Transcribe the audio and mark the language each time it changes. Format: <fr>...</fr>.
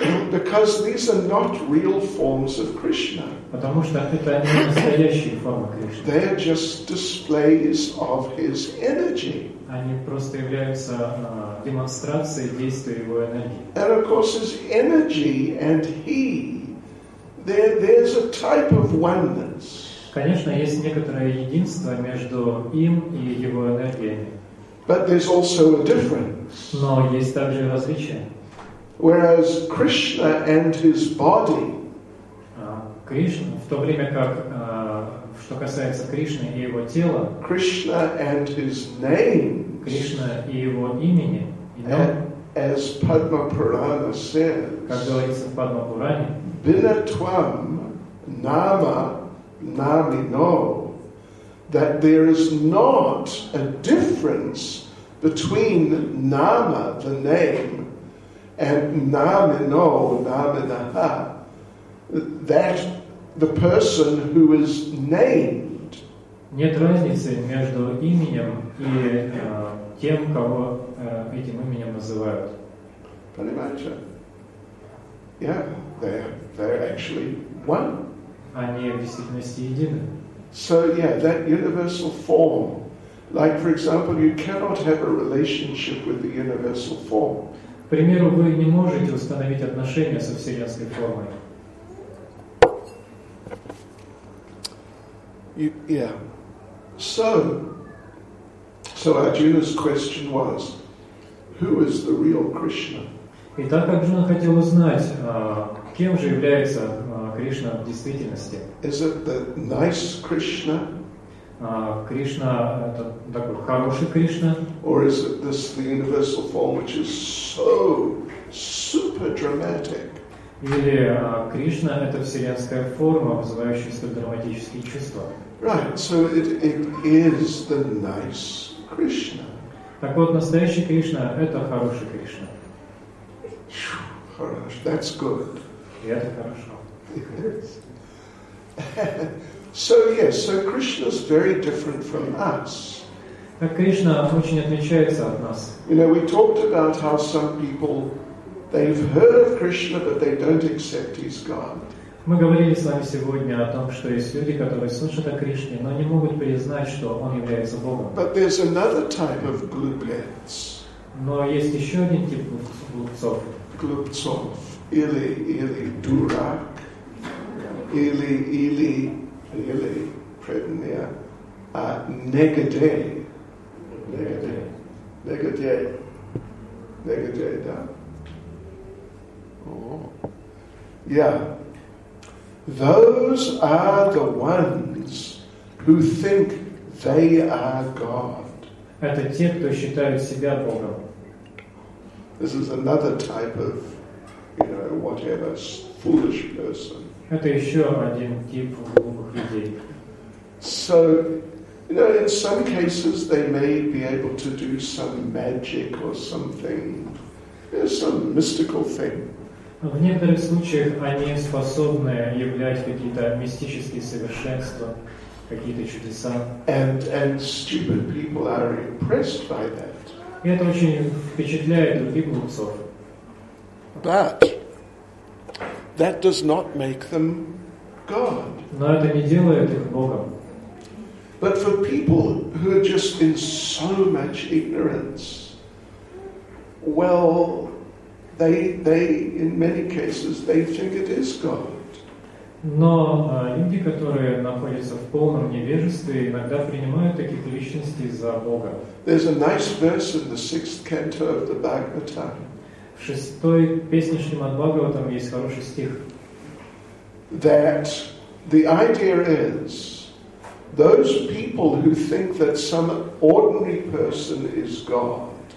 <en>Because these are not real forms of Krishna.</en> <ru>Потому что это не настоящие формы Кришны.</ru> <en>They are just displays of his energy.</en> <ru>Они просто являются демонстрацией действия его энергии.</ru> <en>And of course, his energy and he, there's a type of oneness.</en> <ru>Конечно, есть некоторое единство между им и его энергиями.</ru> <en>But there's also a difference.</en> <ru>Но есть также различие.</ru> <en>Whereas Krishna and his body.</en> <ru>Кришна, в то время как, что касается Кришны и его тела.</ru> <en>Krishna and his name.</en> <ru>Кришна и его имени.</ru> <en>As Padma Purana says.</en> <ru>Как говорится в Падма Пуране.</ru> <sa>Binatvam nama.</sa> <en>Nami no, that there is not a difference between nama, the name, and nami no, nami naha, that the person who is named.</en> <ru>Нет разницы между именем и тем, кого этим именем называют. Понимаете?</ru> <en>Yeah, they're actually one.</en> <ru>Они в действительности едины.</ru> <en>So yeah, that universal form. Like, for example, you cannot have a relationship with the universal form.</en> <ru>К примеру, вы не можете установить отношения со вселенской формой.</ru> <en>Yeah. So Arjuna's question was, who is the real Krishna?</en> <ru>Итак, Арджуна хотел узнать, кем же является Кришна в действительности.</ru> <en>Is it the nice Krishna?</en> <ru>Кришна это такой хороший Кришна.</ru> <en>Or is it this the universal form which is so super dramatic?</en> <ru>Или Кришна – это вселенская форма, вызывающая столь драматические чувства.</ru> <en>Right, so it is the nice Krishna.</en> <ru>Так вот, настоящий Кришна – это хороший Кришна. Хорош,</ru> <en>that's good.</en> <ru>И это хорошо.</ru> <en>Yes. So yes, so Krishna is very different from us.</en> <ru>Так Кришна очень отличается от нас.</ru> <en>You know, we talked about how some people, they've heard of Krishna, but they don't accept he's God.</en> <ru>Мы говорили с вами сегодня о том, что есть люди, которые слышат о Кришне, но не могут признать, что он является Богом.</ru> <en>But there's another type of glupets.</en> <ru>Но есть еще один тип глупцов. Глупцов или дурак, или преднея, а негодяй, да.</ru> <en>Oh. Yeah. Those are the ones who think they are God.</en> <ru>Это те, кто считают себя Богом.</ru> <en>This is another type of, you know, whatever, foolish person.</en> <ru>Это еще один тип глупых людей.</ru> <en>So, you know, in some cases they may be able to do some magic or something, some mystical thing.</en> <ru>В некоторых случаях они способны являть какие-то мистические совершенства, какие-то чудеса.</ru> <en>And stupid people are impressed by that.</en> <ru>И это очень впечатляет других глупцов.</ru> <en>But that does not make them God.</en> <ru>Но это не делает их Богом.</ru> <en>But for people who are just in so much ignorance, well, they in many cases they think it is God.</en> <ru>Но люди, которые находятся в полном невежестве, иногда принимают таких личностей за Бога.</ru> <en>There's a nice verse in the sixth canto of the Bhagavatam.</en> <ru>В шестой песне Шримад-Бхагаватам есть хороший стих.</ru> <en>That the idea is those people who think that some ordinary person is God.</en>